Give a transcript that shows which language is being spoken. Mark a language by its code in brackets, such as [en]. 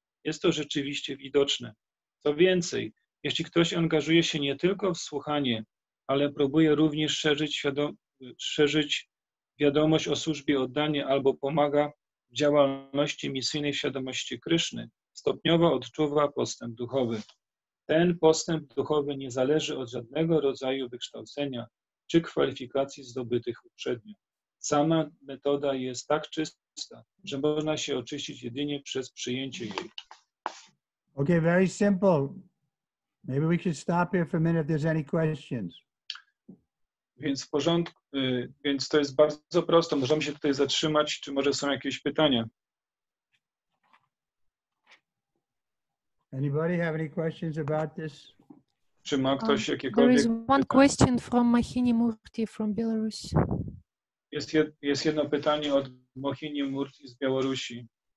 [pl] Jest to rzeczywiście widoczne. Co więcej, jeśli ktoś angażuje się nie tylko w słuchanie, ale próbuje również szerzyć wiadomość o służbie oddania albo pomaga w działalności misyjnej świadomości Kryszny, stopniowo odczuwa postęp duchowy. Ten postęp duchowy nie zależy od żadnego rodzaju wykształcenia, czy kwalifikacji zdobytych uprzednio. Sama metoda jest tak czysta, że można się oczyścić jedynie przez przyjęcie jej. [en] Okay, very simple. Maybe we should stop here for a minute if there's any questions. [pl] Więc w porządku, więc to jest bardzo proste. Możemy się tutaj zatrzymać, czy może są jakieś pytania? [en] Anybody have any questions about this? [pl] Czy ma ktoś jakiekolwiek [en] There is one question from Mohini Murti from Belarus. [pl] Jest jedno pytanie od Mohini Murti z Białorusi.